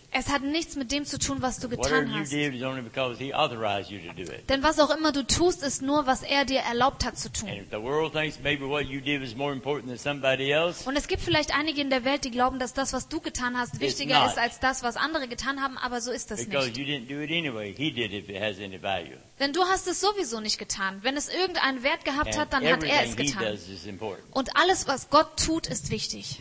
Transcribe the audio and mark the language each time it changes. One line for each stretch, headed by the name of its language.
German: Es hat nichts mit dem zu tun, was du getan
English: you
German: hast.
English: Did is only because he authorized you to do it.
German: Denn was auch immer du tust, ist nur, was er dir erlaubt hat zu tun.
English: And if the world thinks maybe what you did is more important than somebody else.
German: Und es gibt vielleicht einige in der Welt, die glauben, dass das, was du getan hast, wichtiger ist als das, was andere getan haben, aber so ist das
English: because
German: nicht.
English: You didn't do it anyway. He did it if it has any value.
German: Denn du hast es sowieso nicht getan. Wenn es irgendeinen Wert gehabt hat, dann hat er es getan. Und alles, was Gott tut, ist wichtig.